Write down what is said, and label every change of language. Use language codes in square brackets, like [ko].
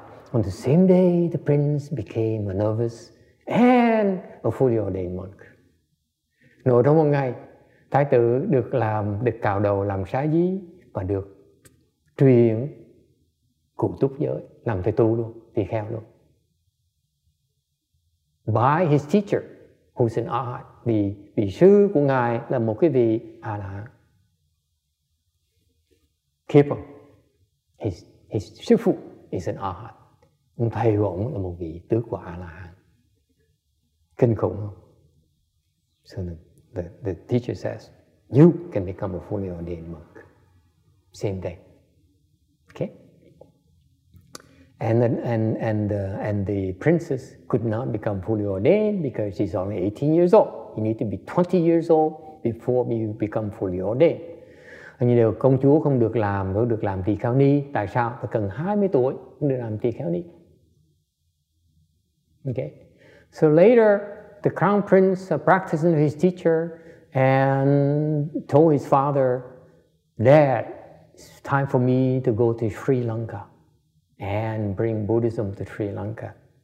[en] On the same day, the prince became a novice and a fully ordained monk. [vi] Nội trong một ngày, thái tử được cạo đầu làm sa di và được truyền cụ túc giới, làm thầy tu luôn, tỳ kheo luôn. [en] By his teacher, who's an arhat, the [vi] vị sư của ngài là một cái vị A-la-hán. [en] Keep him. His sư phụ is an arhat. [vi] Ông thầy của ông là một vị tứ quả A-la-hán. Kinh khủng không? [en] So the teacher says, you can become a fully ordained monk. Same day. Okay? And the princess could not become fully ordained because she's only 18 years old. You need to be 20 years old before you become fully ordained. [vi] Như điều công chúa không được làm tỳ kheo ni. Tại sao? Phải cần 20 tuổi để làm tỳ kheo ni. [en] Okay. So later, the crown prince practiced with his teacher and told his father, "Dad, it's time for me to go to Sri Lanka and bring Buddhism to Sri Lanka."